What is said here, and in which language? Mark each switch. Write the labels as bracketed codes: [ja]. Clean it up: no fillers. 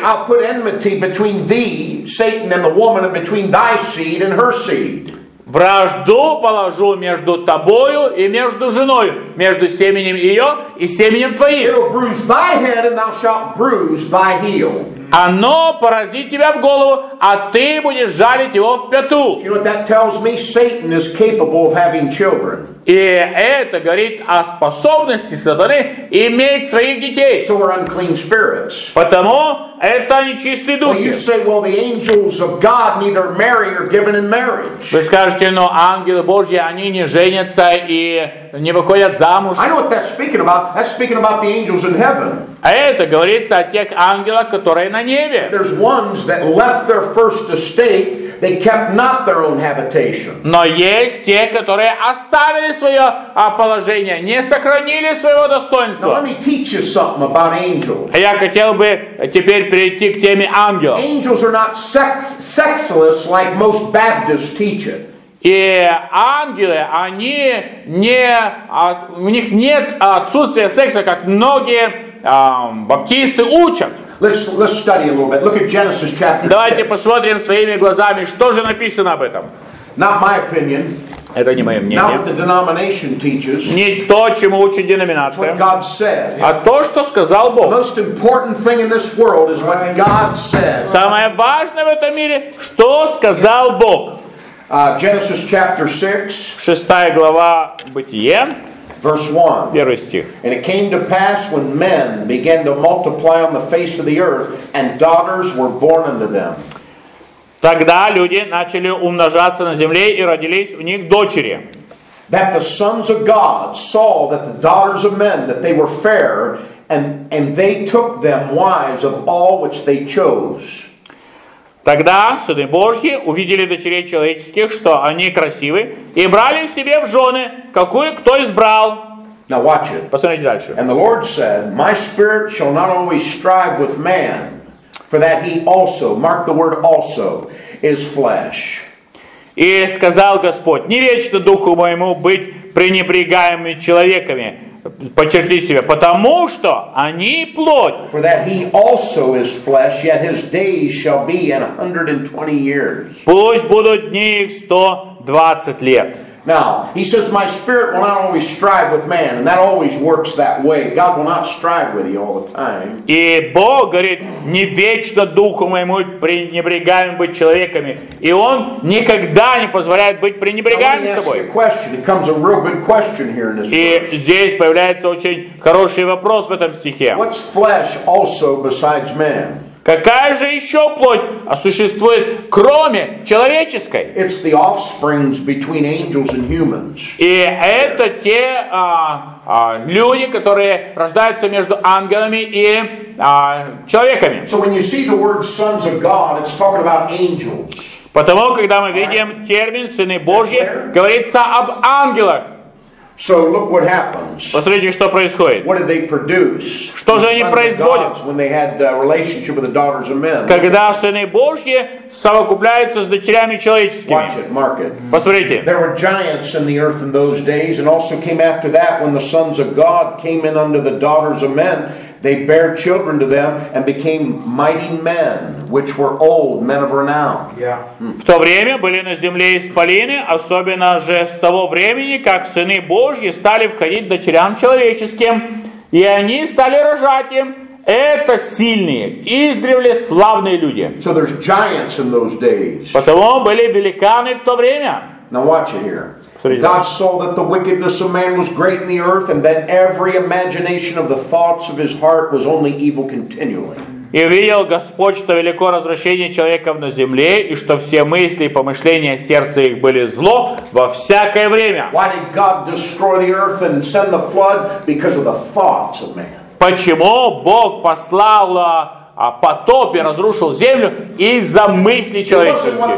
[en] I'll put enmity between thee, Satan, and the woman, and between thy seed and her seed. [ru] Вражду положу между тобою и между женой, между семенем ее и семенем твоим. [en] It'll bruise thy head, and thou shalt bruise thy heel. [ru] Оно поразит тебя в голову, а ты будешь жалить его в пяту. [en] You know what that tells me? Satan is capable of having children. [ru] И это говорит о способности сатаны иметь своих детей. [en] So we're unclean spirits. [ru] Потому это нечистые духи. [en] Well, you say, well, the angels of God neither marry or given in marriage. [ru] Вы скажете, но ангелы Божьи, они не женятся и не выходят замуж. [en] I know what that's speaking about. That's speaking about the angels in heaven. [ru] А это говорится о тех ангелах, которые на небе. [en] There's ones that left their first estate. They kept not their own habitation. [ru] Но есть те, которые оставили свое положение, не сохранили своего достоинства. [en] Now, let me teach you something about angels. [ru] Я хотел бы теперь перейти к теме ангелов. [en] Angels are not sexless, like most Baptists teach it. [ru] И ангелы, они не, у них нет отсутствия секса, как многие баптисты учат. [en] Let's study a little bit. Look at Genesis chapter 6. [ru] Давайте посмотрим своими глазами, что же написано об этом. [en] Not my opinion. [ru] Это не мое мнение. [en] Not what the denomination teaches. [ru] Не то, чему учит деноминация. [en] What God said. [ru] А то, что сказал Бог. [en] The most important thing in this world is what God said. [ru] Самое важное в этом мире, что сказал Бог. [en] Genesis chapter 6. [ru] Шестая глава Бытие. [en] Verse 1. [ru] Первый стих. [en] And it came to pass when men began to multiply on the face of the earth, and daughters were born unto them. [ru] Тогда люди начали умножаться на земле и родились у них дочери. [en] That the sons of God saw that the daughters of men that they were fair, and they took them wives of all which they chose. [ru] Тогда сыны Божьи увидели дочерей человеческих, что они красивы, и брали их себе в жены, какую кто избрал. [en] Now watch it. [ru] Посмотрите дальше. [en] And the Lord said, my spirit shall not always strive with man, for that he also, mark the word also, is flesh. [ru] И сказал Господь, не вечно духу моему быть пренебрегаемыми человеками, подчеркни себе, потому что они плоть. [en] For that he also is flesh, yet his days shall be 120 years. [ru] Пусть будут дни их 120 лет. [en] Now, he says, my spirit will not always strive with man, and that always works that way. God will not strive with you all the time. [ru] И Бог говорит, не вечно духу моему пренебрегаем быть человеками. И он никогда не позволяет быть пренебрегаемым тобой. [en] Now, let me ask you a question. It comes a real good question here in this verse. [ru] И здесь появляется очень хороший вопрос в этом стихе. [en] What's flesh also besides man? [ru] Какая же еще плоть осуществует, кроме человеческой? [en] It's the offsprings between angels and humans. [ru] И это те люди, которые рождаются между ангелами и человеками. [en] So when you see the word sons of God, it's talking about angels. [ru] Потому, когда мы видим термин «сыны Божьи», говорится об ангелах. [en] So look what happens. [ru] Посмотрите, что происходит. [en] What did they produce? [ru] Что же они производят? [en] When they had a relationship with the daughters of men. [ru] Когда сыны Божьи совокупляются с дочерями человеческими. [en] Watch it, mark it. [ru] Посмотрите. [en] There were giants in the earth in those days, and also came after that when the sons of God came in under the daughters of men. They bare children to them and became mighty men, which were old men of renown. Yeah. [ru] В то время были на земле исполины, особенно же с того времени, как сыны Божьи стали входить дочерям человеческим, и они стали рожать им. Это сильные, издревле славные люди. [en] So there's giants in those days. [ru] Потому были великаны в то время. [en] Now watch it here. God saw that the wickedness of man was great in the earth, and that every imagination of the thoughts of his heart was only evil continually. [ru] И видел Господь, что велико развращение человеков на земле, и что все мысли и помышления сердца их были зло во всякое время. [en] Why did God destroy the earth and send the flood? Because of the thoughts of man. [ru] Почему Бог послал потоп и разрушил землю из-за мыслей человеческих.